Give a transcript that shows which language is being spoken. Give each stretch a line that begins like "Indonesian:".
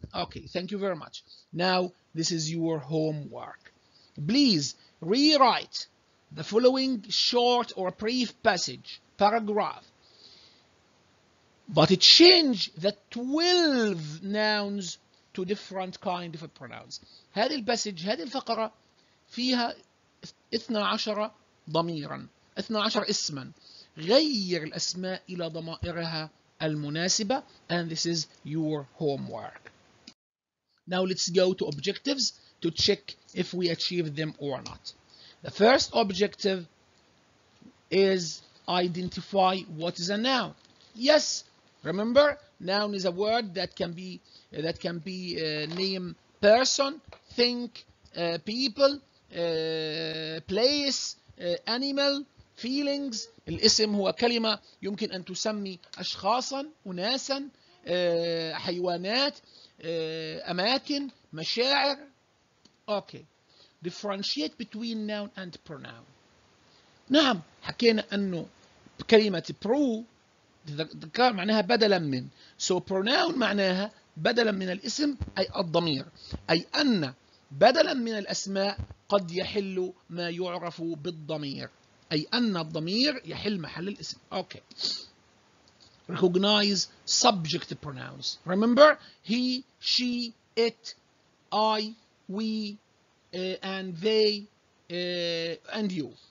English: Okay, thank you very much. Now, this is your homework. Please rewrite the following short or brief passage, paragraph. But change the 12 nouns to different kind of pronouns.
Arabic: هذه الباسج، هذه الفقرة فيها 12 ضميرا، 12 اسما. غير الأسماء إلى ضمائرها المناسبة.
English: And this is your homework. Now let's go to objectives to check if we achieved them or not. The first objective is identify what is a noun. Yes, remember, noun is a word that can be name person, think, people, place, animal, feelings.
Arabic: الاسم هو كلمة يمكن أن تسمي أشخاصا، أناسا، حيوانات، أماكن، مشاعر.
English: Okay. Differentiate between noun and pronoun.
Arabic: نعم، حكينا أنه كلمة pro ذكر معناها بدلا من. So pronoun معناها بدلا من الاسم، أي الضمير، أي أن بدلا من الأسماء قد يحل ما يعرف بالضمير، أي أن الضمير يحل محل الاسم.
English: Okay. Recognize subject pronouns. Remember, he, she, it, I, we, and they, and you.